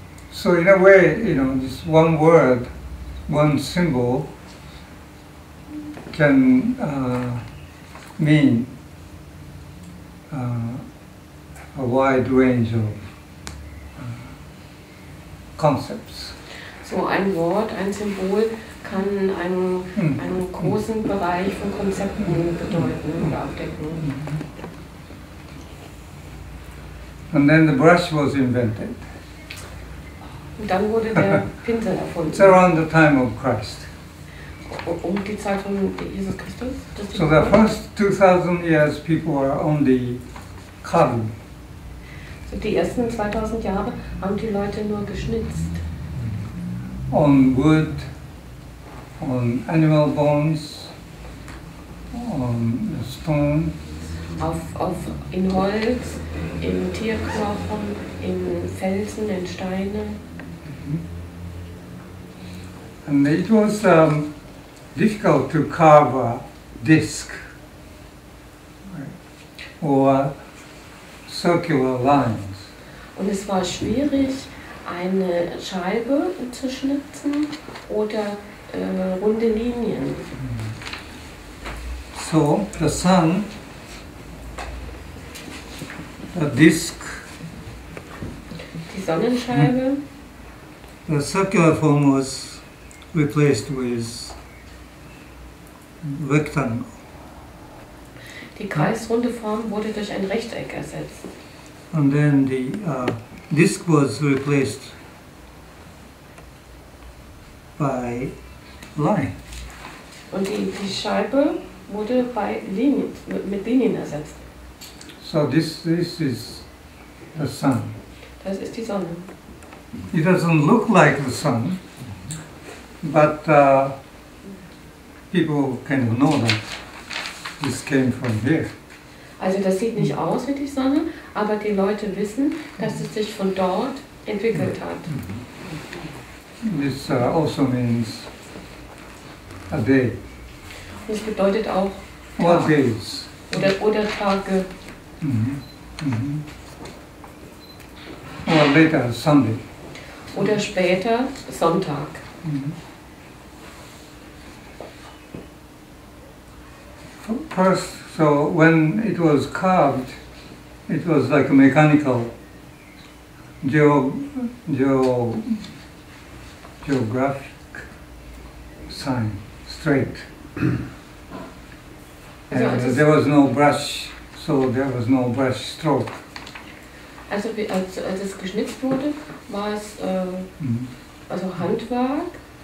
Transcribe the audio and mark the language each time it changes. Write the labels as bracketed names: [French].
[English] So in a way, you know, this one word, one symbol can mean a wide range of concepts. [German] So ein Wort, ein Symbol kann einen großen Bereich von Konzepten bedeuten und abdecken. [English] Mm-hmm. And then the brush was invented. [German] Und dann wurde der Pinsel erfunden. [English] It's around the time of Christ. [German] Um die Zeit von Jesus Christus? [English] So the first 2000 years people were on the carving. [German] So die ersten 2000 Jahre haben die Leute nur geschnitzt. [English] On wood, on animal bones, on stone. [German] Auf in Holz, in Tierknochen, in Felsen, in Steine. [English] And it was difficult to carve a disc, right, or circular lines. [German] Und es war schwierig, eine Scheibe zu schnitzen oder runde Linien. [English] So the sun, the disc, [German] die Sonnenscheibe, [English] the circular form was replaced with rectangle. [German] Die kreisrunde Form wurde durch ein Rechteck ersetzt. [English] And then the disc was replaced by line. [German] Und die Scheibe wurde bei Linien, mit Linien ersetzt. [English] So this is the sun. [German] Das ist die Sonne. [English] It doesn't look like the sun, but people kind of know that this came from here. [German] Also das sieht nicht aus wie die Sonne, aber die Leute wissen, dass es sich von dort entwickelt hat. [English] This also means a day. [German] Und es bedeutet auch Tag. [English] What days? [German] Oder Tage. [English] Mm-hmm. Or later, Sunday. [German] Oder später Sonntag. Mm-hmm. [English] First, so when it was carved, it was like a mechanical geographic sign, straight. And there was no brush, so there was no brush stroke. [German] Also als es geschnitzt wurde, war es also Handwerk.